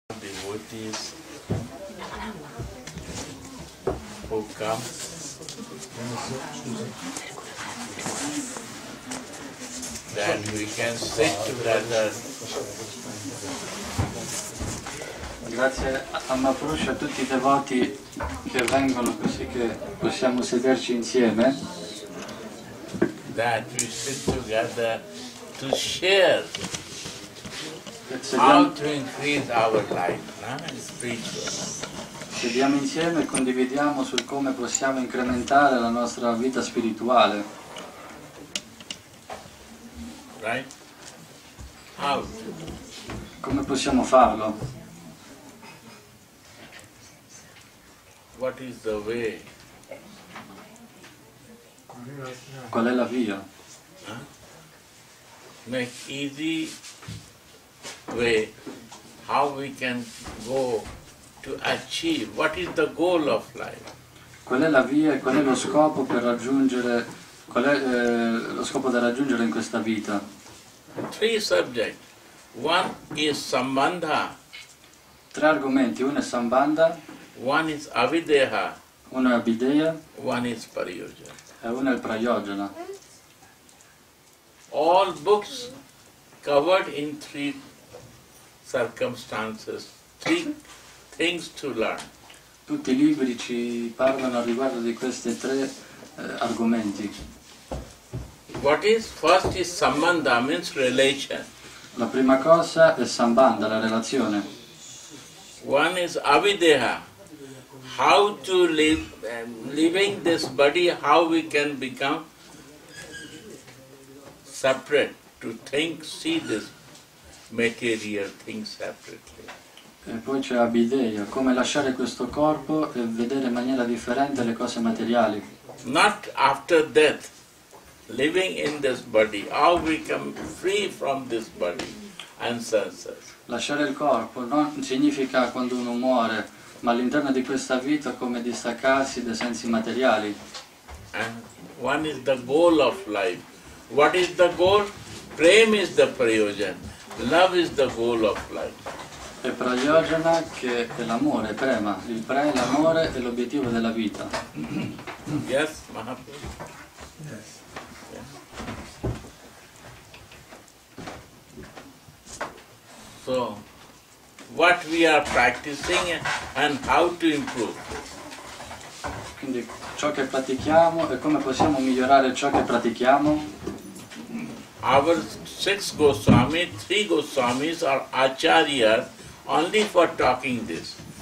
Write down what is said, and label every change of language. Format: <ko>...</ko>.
<en>entities who come then we can sit together.</en> <it>Grazie a Mahapurusha, a tutti i devoti che vengono così che possiamo sederci insieme.</it> <en>That we sit together to share how to increase our life, spiritual.</en> <it>Sediamo insieme e condividiamo su come possiamo incrementare la nostra vita spirituale.</it> <en>Right? How?</en> <it>Come possiamo farlo?</it> <en>What is the way?</en> <it>Qual è la via?</it> <en>Make easy way how we can go to achieve. What is the goal of life?</en> <it>Qual è la via e qual è lo scopo per raggiungere, qual è lo scopo da raggiungere in questa vita?</it> <en>Three subjects. One is Sambhandha.</en> <it>Tre argomenti. Uno è Sambhandha.</it> <en>One is Abhidheya.</en> <it>Uno è Abhidheya.</it> <en>One is Prayojana.</en> <it>E uno è Prayojana.</it> <en>All books covered in three circumstances. Three things to learn.</en> <it>Tutti i libri ci parlano riguardo di questi tre argomenti.</it> <en>What is first is Sambhandha, means relation.</en> <it>La prima cosa è Sambhandha, la relazione.</it> <en>One is Abhidheya. How to live, living this body, how we can become separate, to think, see this material thing separately.</en> <it>E poi c'è Abhidheya, come lasciare questo corpo e vedere in maniera differente le cose materiali.</it> <en>Not after death, living in this body, how we come free from this body and senses.</en> <it>Lasciare il corpo non significa quando uno muore, ma all'interno di questa vita come distaccarsi dai sensi materiali.</it> <en>And one is the goal of life. What is the goal? Prema is the prayojan. Love is the goal of life.</en> <it>E prayojana che è l'amore, prema. Il pre, l'amore è l'obiettivo della vita.</it> <en>Yes, Mahaprabhu. Yes. Yeah. So what we are practicing and how to improve.</en> <it>Quindi ciò che pratichiamo e come possiamo migliorare ciò che pratichiamo.</it> <en>Our six Goswami, three Goswamis are acharyas only for talking this.</en>